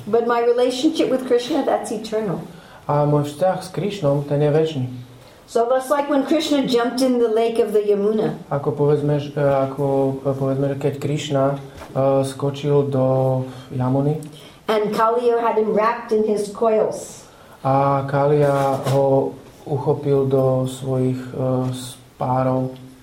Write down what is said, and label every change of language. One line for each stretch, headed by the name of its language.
English: But my relationship with Krishna, that's eternal.
Slovak: A môj vzťah s Krišnom, ten je večný.
English: So that's like when Krishna jumped in the lake of the Yamuna.
Slovak: Ako povedzme, keď Krishna skočil do Yamuny.
English: And Kaliya had him wrapped in his coils.
Slovak: A Kaliya ho uchopil do svojich spárov.